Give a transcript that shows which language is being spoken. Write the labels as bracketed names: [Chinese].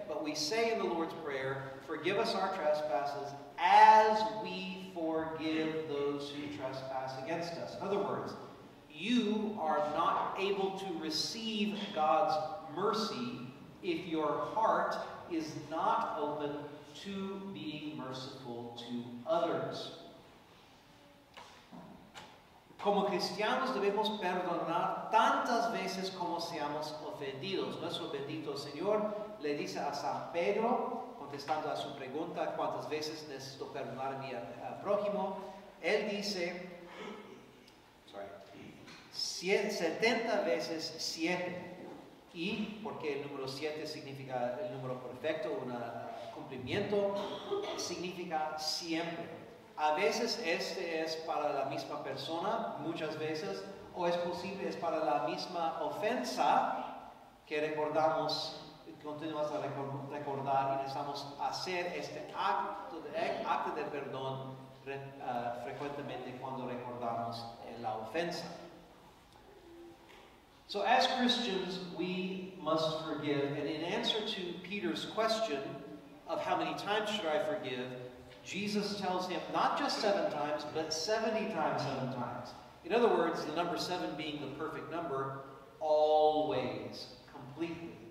[English] But we say in the Lord's Prayer, "Forgive us our trespasses as we forgive those who trespass against us." In other words, you are not able to receive God's mercy if your heart is not open to being merciful to others. [Spanish] Como cristianos debemos perdonar tantas veces como seamos ofendidos. Nuestro bendito Señor le dice a San Pedro, contestando a su pregunta, ¿cuántas veces necesito perdonar a mi prójimo? Él dice, 70 veces 7. Y porque el número 7 significa el número perfecto, un cumplimiento, significa siempre. A veces este es para la misma persona, muchas veces, o es posible es para la misma ofensa que recordamos, continuamos a recordar y necesitamos hacer este acto de perdón frecuentemente cuando recordamos la ofensa. [English] So as Christians, we must forgive. And in answer to Peter's question of how many times should I forgive, Jesus tells him not just 7 times, but 70 times 7 times. In other words, the number 7 being the perfect number, always, completely.